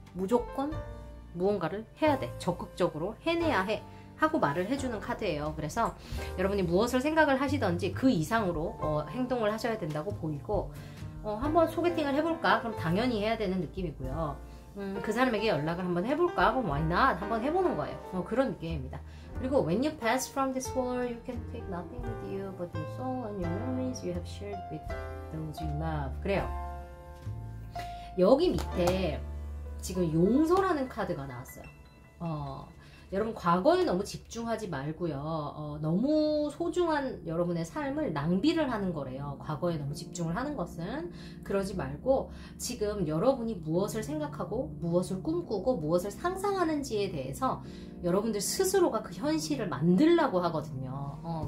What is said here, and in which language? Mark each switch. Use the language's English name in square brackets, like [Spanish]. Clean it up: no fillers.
[Korean] 무조건 무언가를 해야 돼. 적극적으로 해내야 해. 하고 말을 해주는 카드예요. 그래서 여러분이 무엇을 생각을 하시던지 그 이상으로 행동을 하셔야 된다고 보이고, 한번 소개팅을 해볼까? 그럼 당연히 해야 되는 느낌이고요. 그 사람에게 연락을 한번 해볼까? 그럼 [English] why not? [Korean] 한번 해보는 거예요. 그런 느낌입니다. [English] 그리고 when you pass from this world, you can take nothing with you but your soul and your memories you have shared with those you love. [Korean] 그래요. 여기 밑에 지금 용서라는 카드가 나왔어요. 여러분 과거에 너무 집중하지 말고요. 너무 소중한 여러분의 삶을 낭비를 하는 거래요. 과거에 너무 집중을 하는 것은 그러지 말고 지금 여러분이 무엇을 생각하고 무엇을 꿈꾸고 무엇을 상상하는지에 대해서 여러분들 스스로가 그 현실을 만들라고 하거든요.